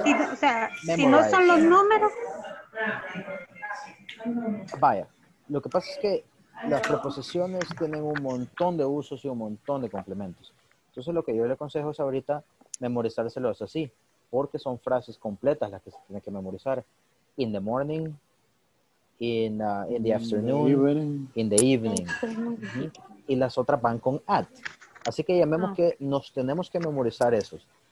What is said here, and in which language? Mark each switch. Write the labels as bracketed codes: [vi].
[es] si, o sea, si no son los números. Vaya, lo que pasa es que las preposiciones tienen un montón de usos y un montón de complementos. Entonces lo que yo le aconsejo es ahorita memorizárselos así, porque son frases completas las que se tienen que memorizar. [en] In the morning, in the afternoon, in the evening. [es] Y las otras van con at. Así que llamemos que nos tenemos que memorizar esos.